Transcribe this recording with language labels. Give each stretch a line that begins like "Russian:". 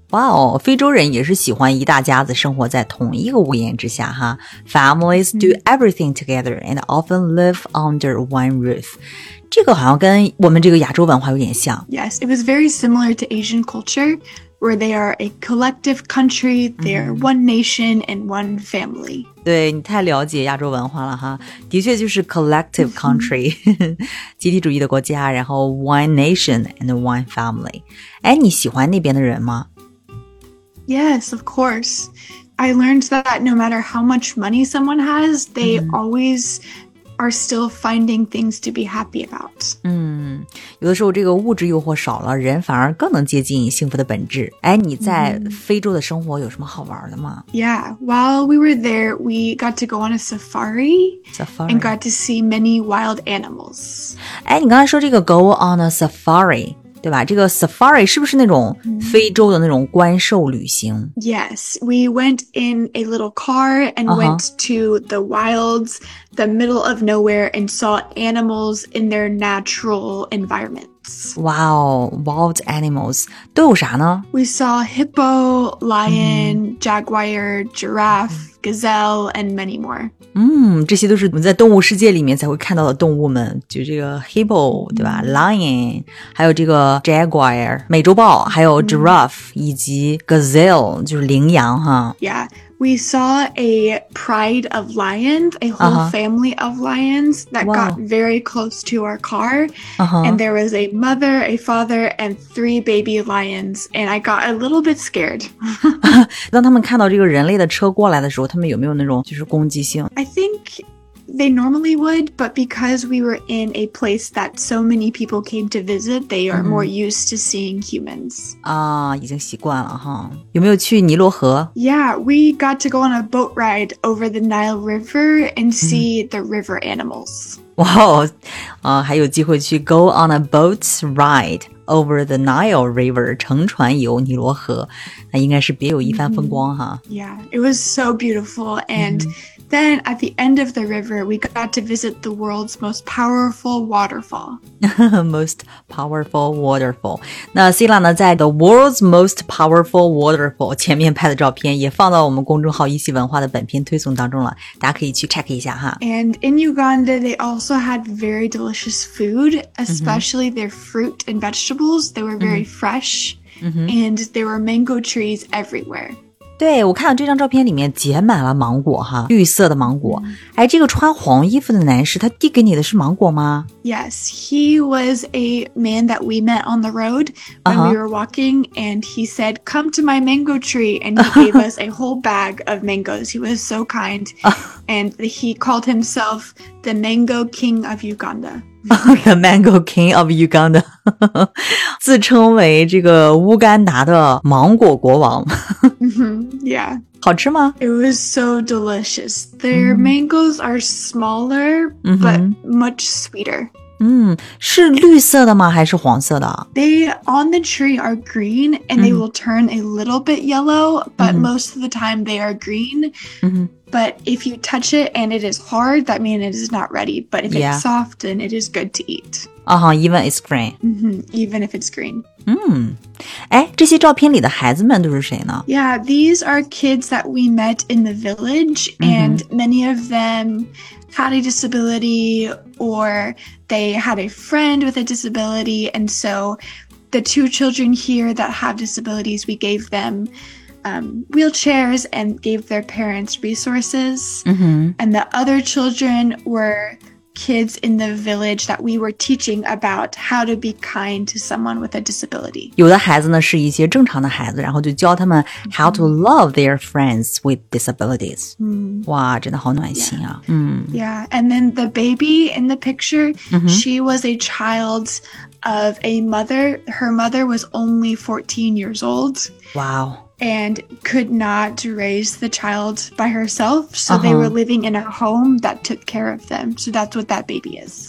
Chinese: 哇哦，非洲人也是喜欢一大家子生活在同一个屋檐之下哈。
English: Families do everything together and often live under one roof.
Chinese: 这个好像跟我们这个亚洲文化有点像。
English: Yes, it was very similar to Asian culture, where they are a collective country, they are one nation and one family.
Chinese: 对，你太了解亚洲文化了哈。的确就是
English: collective country,
Chinese: 集体主义的国家，然后
English: one nation and one family.
Chinese: 哎，你喜欢那边的人吗？
English: Yes, of course. I learned that no matter how much money someone has, they always are still finding things to be happy about.
Chinese: 有的时候这个物质诱惑少了，人反而更能接近幸福的本质。哎，你在非洲的生活有什么好玩的吗？
English: Yeah, while we were there, we got to go on a safari. And got to see many wild animals.
Chinese: 哎，你刚才说这个
English: go on a safari,
Chinese: 对吧？这个 safari 是不是那种非洲的那种观兽旅行？
English: Yes, we went in a little car and went to the wilds, the middle of nowhere, and saw animals in their natural environments. Wow, wild animals.
Chinese: 都有啥呢？
English: We saw hippo, lion, jaguar, giraffe, gazelle, and many more.
Chinese: 这些都是我们在动物世界里面才会看到的动物们，就这个 hippo 对吧 ，lion， 还有这个 jaguar 美洲豹，还有 giraffe 以及 gazelle 就是羚羊哈。
English: Yeah, we saw a pride of lions, a whole family of lions that got very close to our car, and there was a mother, a father, and three baby lions, and I got a little bit scared.
Chinese: 当他们看到这个人类的车过来的时候，他们有没有那种就是攻击性？
English: I think they normally would, but because we were in a place that so many people came to visit, they are more used to seeing humans.
Chinese: 啊，已经习惯了哈。有没有去尼罗河？
English: Yeah, we got to go on a boat ride over the Nile River and see the river animals.
Chinese: Wow, 啊，还有机会去
English: go on a boat ride over the Nile River,
Chinese: 乘船游尼罗河，那应该是别有一番风光哈。
English: Yeah, it was so beautiful and. Then at the end of the river, we got to visit the world's most powerful waterfall. Most powerful waterfall.
Chinese: 那 Sila 呢，在
English: the world's most powerful waterfall
Chinese: 前面拍的照片也放到我们公众号一席文化的本篇推送当中了，大家可以去 check 一下哈。
English: And in Uganda, they also had very delicious food, especially their fruit and vegetables. They were very fresh, and there were mango trees everywhere.
Chinese: 对，我看到这张照片里面结满了芒果哈，绿色的芒果。哎，这个穿黄衣服的男士，他递给你的是芒果吗？
English: Yes, he was a man that we met on the road when we were walking, and he said, "Come to my mango tree," and he gave us a whole bag of mangoes. He was so kind, and he called himself the Mango King of Uganda. The Mango King of Uganda.
Chinese: 自称为这个乌干达的芒果国王。
English: Yeah.
Chinese: 好吃吗？
English: It was so delicious. Their mangoes are smaller, but much sweeter.
Chinese: 是绿色的吗？还是黄色的？
English: They on the tree are green, and they will turn a little bit yellow, but most of the time they are green. But if you touch it and it is hard, that means it is not ready. But if it's soft, then it is good to eat. Even if it's green. Even if it's green.
Chinese: 哎，这些照片里的孩子们都是谁呢？
English: Yeah, these are kids that we met in the village, and many of them had a disability, or they had a friend with a disability, and so the two children here that have disabilities, we gave them... wheelchairs and gave their parents resources. And the other children were kids in the village that we were teaching about how to be kind to someone with a disability.
Chinese: 有的孩子呢是一些正常的孩子，然后就教他们
English: how to love their friends with disabilities.
Chinese: 哇，真的好暖心啊。
English: Yeah, and then the baby in the picture, she was a childof a mother. Her mother was only 14 years old. Wow. And could not raise the child by herself. So they were living in a home that took care of them. So that's what that baby is.